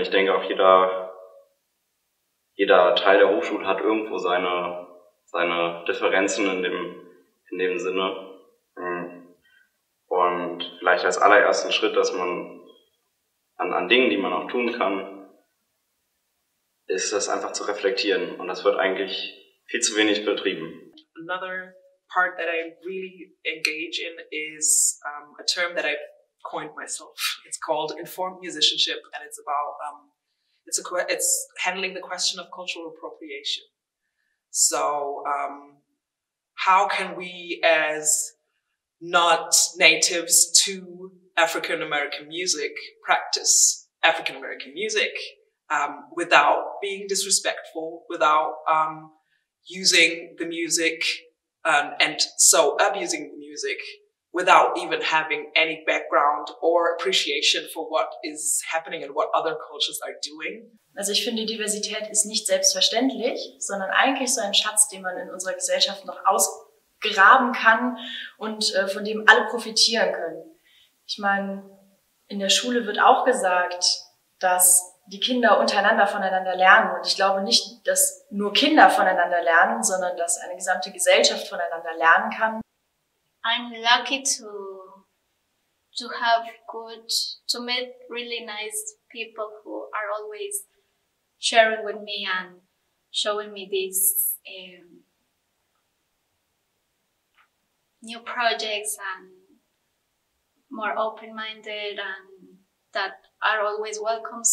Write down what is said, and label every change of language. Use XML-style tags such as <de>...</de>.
<de>Ich denke auch, jeder Teil der Hochschule hat irgendwo seine Differenzen in dem Sinne. Und vielleicht als allerersten Schritt, dass man an Dingen, die man auch tun kann, ist das einfach zu reflektieren. Und das wird eigentlich viel zu wenig betrieben.</de> <en>Another part that I really engage in is a term that I've coined myself. It's called informed musicianship, and it's about it's handling the question of cultural appropriation. So how can we, as not natives to African-American music, practice African-American music without being disrespectful, without using the music abusing the music without even having any background or appreciation for what is happening and what other cultures are doing.</en> <de>Also ich finde, Diversität ist nicht selbstverständlich, sondern eigentlich so ein Schatz, den man in unserer Gesellschaft noch ausgraben kann und von dem alle profitieren können. Ich meine, in der Schule wird auch gesagt, dass die Kinder untereinander voneinander lernen. Und ich glaube nicht, dass nur Kinder voneinander lernen, sondern dass eine gesamte Gesellschaft voneinander lernen kann.</de> <en>I'm lucky to have good, to meet really nice people who are always sharing with me and showing me these new projects and more open-minded and that are always welcome.</en>